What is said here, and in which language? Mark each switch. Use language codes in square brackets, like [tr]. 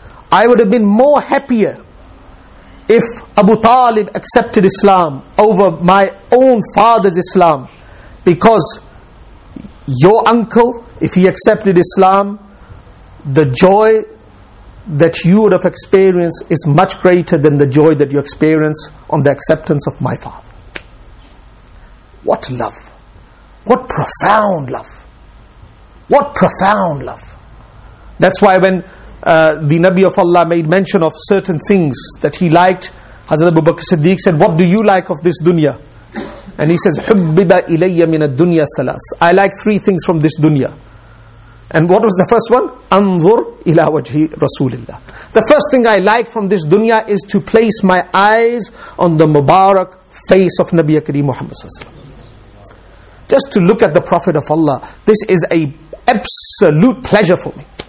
[en] I would have been more happier if Abu Talib accepted Islam over my own father's Islam, because your uncle, if he accepted Islam, the joy that you would have experienced is much greater than the joy that you experience on the acceptance of my father. What love. What profound love. What profound love. That's why when the Nabi of Allah made mention of certain things that he liked, Hazrat Abu Bakr Siddiq said, what do you like of this dunya? And he says, [ar] حُبِّبَ إِلَيَّ مِنَ الدُّنْيَا ثَلَاثٌ. [en] I like three things from this dunya. And what was the first one? [ar] أَنْظُرْ إِلَىٰ وَجْهِ رَسُولِ اللَّهِ. [en] The first thing I like from this dunya is to place my eyes on the Mubarak face of Nabi Akram Muhammad Sallallahu Alaihi Wasallam. Just to look at the Prophet of Allah, this is an absolute pleasure for me.